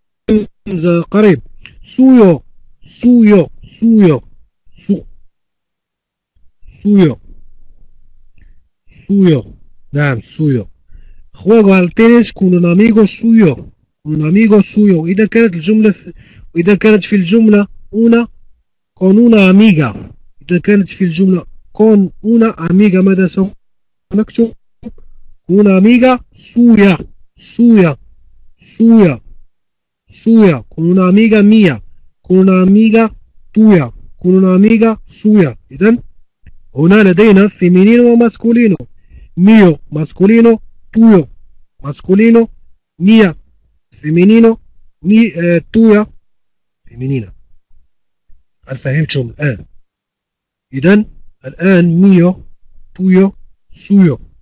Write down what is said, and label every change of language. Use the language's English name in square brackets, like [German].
[Arabic] وحمزه قريب. سويو سويو سويو سويو سويو سويو. نعم سويو. [Spanish] Juego al tenis con un amigo suyo. Un amigo suyo. [Arabic] إذا كانت الجملة في... إذا كانت في الجملة una [Spanish] con una amiga. [Arabic] إذا كانت في الجملة con una amiga ماذا سوف نكتب؟ [Spanish] una amiga suya suya suya suya con una amiga mía con una amiga tuya con una amiga suya. [Arabic] إذن هنا لدينا feminino و masculino. [Spanish] mío masculino tuyo masculino, mía, femenino, mi, tuya, femenina. [Arabic] هل فهمتم الآن؟ إذن الآن [Spanish] mío, tuyo, suyo.